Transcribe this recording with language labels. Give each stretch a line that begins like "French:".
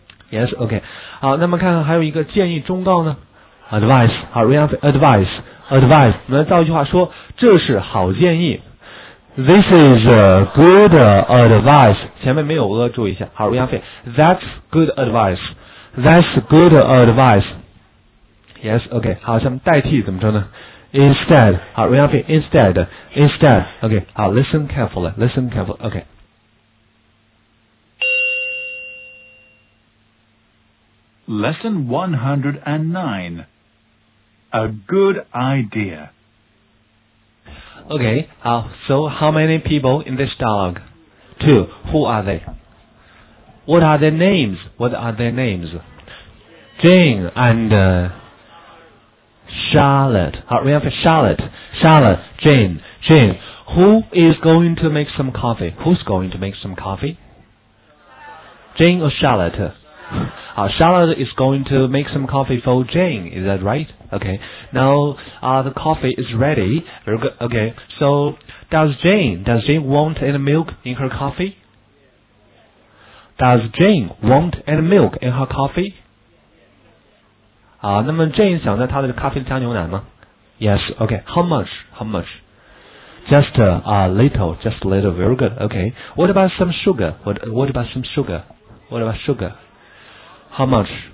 English: yes, okay,
Chinese: 好，那么看看还有一个建议忠告呢 ,advice, 好 ,advice, 我们造一句话说这是好建议 ,
English: this is a good advice,
Chinese: 前面没有额注意一下，好 ,
English: that's good advice,That's good advice. Yes, okay.
Chinese: 好，下面代替怎么说呢 ？
English: Instead. 好 ，Ryan Fei. Instead. Okay. 好 ，Listen carefully. Listen carefully. Okay. 109. A good idea. Okay, so how many people in this dialogue? Two. Who are they? What are their names? What are their names? Jane and Charlotte. We have Charlotte. Charlotte, Jane. Jane, who is going to make some coffee? Who's going to make some coffee? Jane or Charlotte? Charlotte is going to make some coffee for Jane, is that right? Okay, now the coffee is ready. Okay, so does Jane want any milk in her coffee? Does Jane want any milk in her coffee?
Chinese: 那么 Jane 想在她的咖啡加牛奶吗？
English: Yes, okay, how much? Just a little, very good, okay. What about some sugar? How much?